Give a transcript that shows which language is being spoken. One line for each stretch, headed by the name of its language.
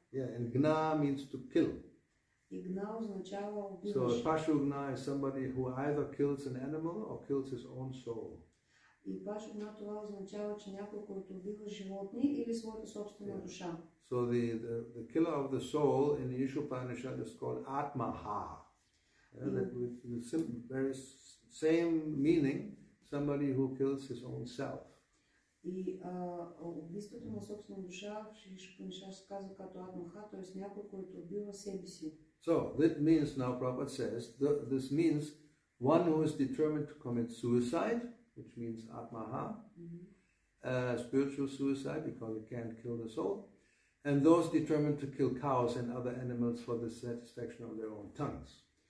English: Yeah, and gna means to kill.
Bulgarian: И гна означава убиваш.
English: So pashu gna is somebody who either kills an animal or kills his own soul.
Bulgarian: И пашугна, това означава, че някой, който убива животни или своята собствена душа.
English: So the killer of the soul in the Ishupanishad is called Atmaha. With the very same meaning, somebody who kills his own self.
Bulgarian: И убийството на собствена душа в Ишупанишад се казва като Атмаха, т.е. някой, който убива себе си.
English: So that means, now Prabhupada says, this means one who is determined to commit suicide, which means Atmaha, spiritual suicide, because it can't kill the soul, And those determined to kill cows and other animals for the satisfaction of their own tongues.